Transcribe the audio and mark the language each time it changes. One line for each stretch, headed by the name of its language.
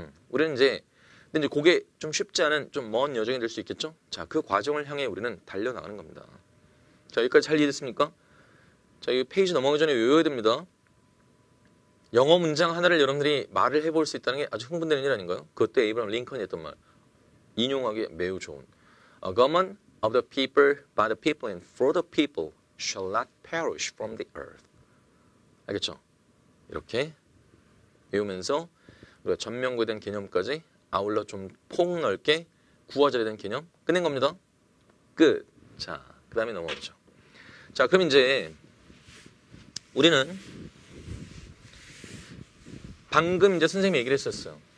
Korean: 우리는 이제 근데 이제 그게 좀 쉽지 않은 좀 먼 여정이 될 수 있겠죠? 자, 그 과정을 향해 우리는 달려나가는 겁니다. 자, 여기까지 잘 이해됐습니까? 자, 이 페이지 넘어가기 전에 외워야 됩니다. 영어 문장 하나를 여러분들이 말을 해볼 수 있다는 게 아주 흥분되는 일 아닌가요? 그때 에이브럼 링컨이 했던 말. 인용하기 매우 좋은.
English: A government of the people, by the people, and for the people shall not perish from the earth.
Korean: 알겠죠? 이렇게 외우면서 우리가 전명구에 대한 개념까지 아울러 좀 폭넓게 구화절에 대한 개념 끝낸 겁니다. 끝. 자, 그 다음에 넘어가죠. 자, 그럼 이제 우리는 방금 이제 선생님이 얘기를 했었어요.